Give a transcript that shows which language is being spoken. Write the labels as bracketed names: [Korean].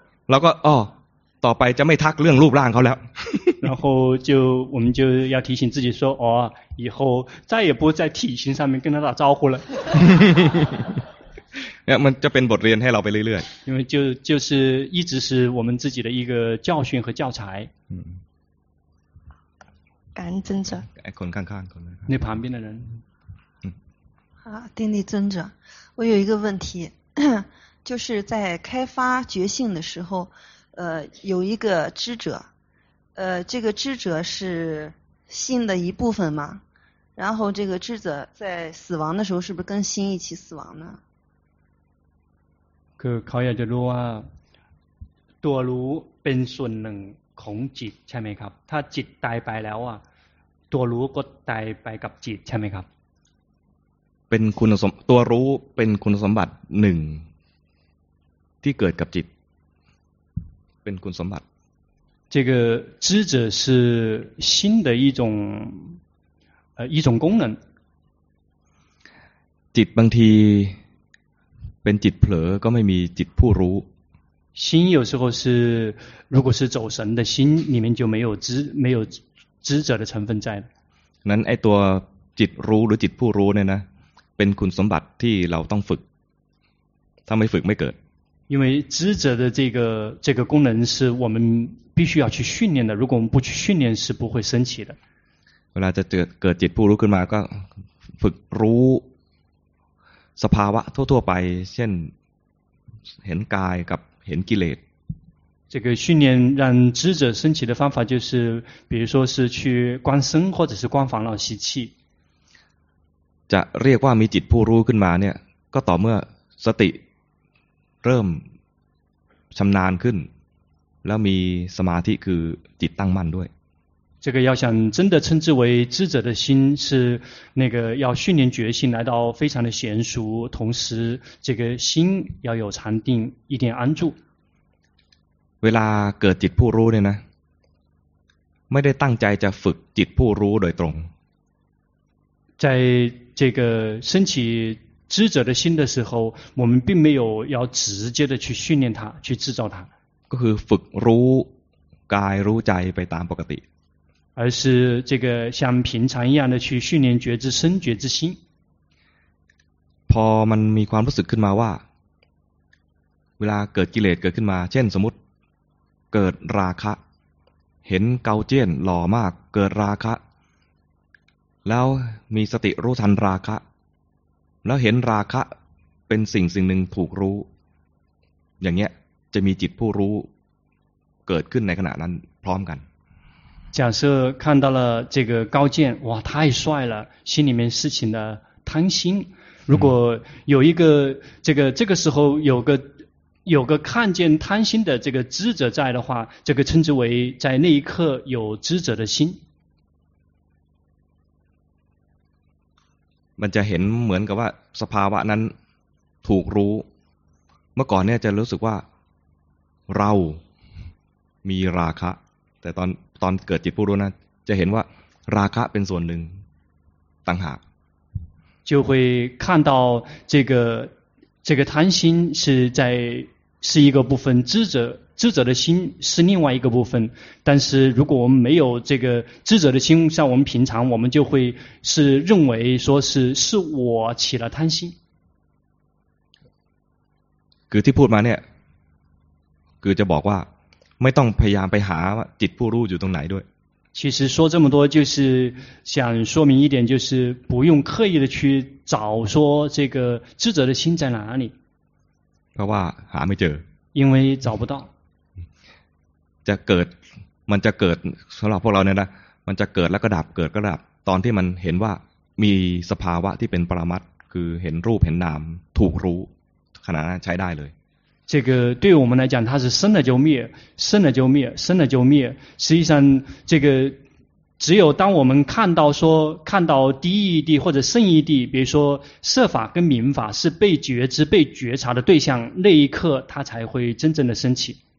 [Thai] แล้วก็อ้อต่อไปจะไม่ทักเรื่องรูปร่างเขาแล้ว [Chinese] 然后我们就要提醒自己说哦以后再也不在体型上面跟他打招呼了 [Thai] มันจะเป็นบทเรียนให้เราไปเรื่อย [Chinese] ๆ因为就是一直是我们自己的一个教训和教材感恩尊者 [Thai] คนข้างๆคนข้าง [Chinese] ๆ那旁边的人好定力尊者我有一个问题就是在开发觉性的时候有一个知者这个知者是心的一部分吗然后这个知者在死亡的时候是不是跟心一起死亡呢 [Thai] คือเขาอยากจะรู้ว่าตัวรู้เป็นส่วนหนึ่งของจิตใช่ไหมครับถ้าจิตตายไปแล้วอ่ะตัวรู้ก็ตายไปกับจิตใช่ไหมครับ เป็นคุณสมตัวรู้เป็นคุณสมบัติหนึ่งที่เกิดกับจิตเป็นคุณสมบัติ [Chinese] 这个知者是心的一种功能 [Thai] จิตบางทีเป็นจิตเผลอก็ไม่มีจิตผู้รู้ [Chinese] 心有时候是如果是走神的心里面就没有知者的成分在 [Thai] นั้นไอ้ตัวจิตรู้หรือจิตผู้รู้เนี่ยนะเป็นคุณสมบัติที่เราต้องฝึกถ้าไม่ฝึกไม่เกิด [Chinese] 因为知者的这个功能是我们必须要去训练的如果我们不去训练是不会升起的 [Thai] เวลาจะเกิดจิตผู้รู้ขึ้นมาก็ฝึกรู้สภาวะทั่วๆไปเช่นเห็นกายกับเห็นกิเลส [Chinese] 这个训练让知者升起的方法就是比如说是去观身或者是观烦恼习气 [Thai] จะเรียกว่ามีจิตผู้รู้ขึ้นมาเนี่ยก็ต่อเมื่อสติเริ่มชำนาญขึ้นแล้วมีสมาธิคือจิตตั้งมั่นด้วย [Chinese] 这个要想真的称之为智者的心是那个要训练觉性来到非常的娴熟同时这个心要有禅定一点安住 [Thai] เวลาเกิดจิตผู้รู้เนี่ยนะไม่ได้ตั้งใจจะฝึกจิตผู้รู้โดยตรง [Chinese] 在这个升起知者的心的时候我们并没有要直接的去训练它去制造它 [Thai] ก็คือฝึกรู้กายรู้ใจไปตามปกติ [Chinese] 而是这个像平常一样的去训练觉知身觉知心 [Thai] พอมันมีความรู้สึกขึ้นมาว่าเวลาเกิดกิเลสเกิดขึ้นมาเช่นสมมุติเกิดราคะเห็นเกาเจี้ยนหล่อมากเกิดราคะแล้วมีสติรู้ทันราคะแล้วเห็นราคะเป็นสิ่งหนึ่งถูกรู้อย่างเงี้ยจะมีจิตผู้รู้เกิดขึ้นในขณะนั้นพร้อมกัน [Chinese] 假设看到了这个高见，哇，太帅了，心里面事情的贪心。如果有一个这个时候有个看见贪心的这个知者在的话，这个称之为在那一刻有知者的心。 [Thai] มันจะเห็นเหมือนกับว่าสภาวะนั้นถูกรู้เมื่อก่อนเนี่ยจะรู้สึกว่าเรามีราคะแต่ตอนเกิดจิตผู้รู้นะจะเห็นว่าราคะเป็นส่วนหนึ่งต่างหาก [Chinese] 就会看到这个贪心是一个部分，知者的心是另外一个部分。但是如果我们没有这个知者的心，像我们平常，我们就会是认为说是我起了贪心。 [Thai] คือที่พูดมาเนี่ยคือจะบอกว่าไม่ต้องพยายามไปหาจิตผู้รู้อยู่ตรงไหนด้วย。 [Chinese] 其实说这么多就是想说明一点，就是不用刻意的去找说这个知者的心在哪里。 [Thai] เพราะว่าหาไม่เจอ。 [Chinese] 因为找不到。 [Thai] จะเกิดมันจะเกิดสำหรับพวกเราเนี่ยนะมันจะเกิดแล้วก็ดับเกิดก็ดับตอนที่มันเห็นว่ามีสภาวะที่เป็นปรมัตถ์คือเห็นรูปเห็นนามถูกรู้ขณะนั้นใช้ได้เลย [Chinese] 这个对我们来讲它是生了就灭生了就灭生了就灭实际上这个只有当我们看到第一义谛或者圣义谛比如说色法跟名法是被觉知被觉察的对象那一刻它才会真正的升起